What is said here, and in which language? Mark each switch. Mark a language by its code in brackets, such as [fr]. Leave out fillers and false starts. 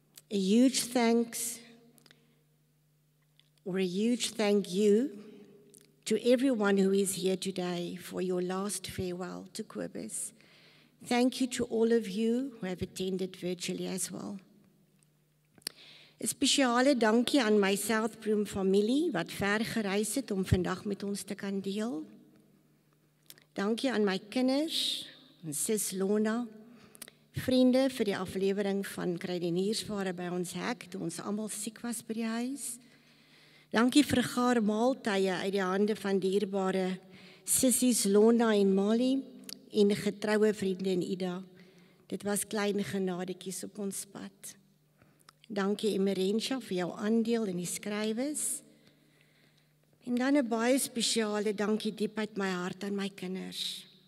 [en] A huge thanks, or a huge thank you to everyone who is here today for your last farewell to Kobus. Thank you to all of you who have attended virtually as well. [af] Een speciale dankie aan my South Broom familie wat ver gereis het om vandag met ons te kan deel. Dankie aan my kinders, sis Lona, vriende vir die aflewering van kruideniersware by ons hek toe ons allemaal siek was by die huis. Dankie vir gaar maaltye uit die hande van dierbare sissies Lona en Molly en getrouwe vriende in Ida. Dit was klein genadekies op ons pad. Dankie Emerentia vir jou aandeel in die skrywes. En dan een baie speciale dankie diep uit my hart aan my kinders.